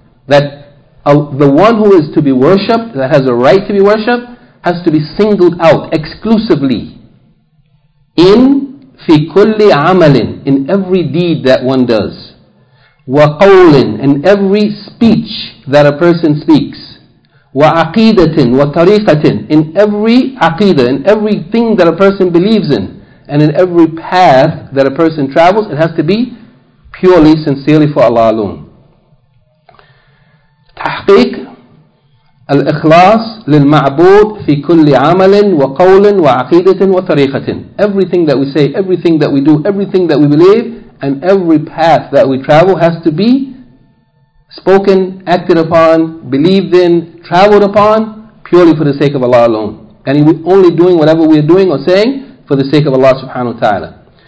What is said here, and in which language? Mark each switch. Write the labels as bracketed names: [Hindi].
[English] That the one who is to be worshipped, that has a right to be worshipped, has to be singled out exclusively in [Arabic] fi kulli amalin, [English] in every deed that one does, [Arabic] wa qawlin, [English] in every speech that a person speaks, [Arabic] wa aqidatin wa tariqatin, [English] in every aqidah, in everything that a person believes in, And in every path that a person travels, it has to be purely, sincerely for Allah alone. [Arabic] تحقيق الإخلاص للمعبود في كل عمل وقول وعقيدة وطريقة. [English] Everything that we say, everything that we do, everything that we believe, and every path that we travel has to be spoken, acted upon, believed in, traveled upon, purely for the sake of Allah alone. And we're only doing whatever we're doing or saying for the sake of Allah subhanahu wa ta'ala.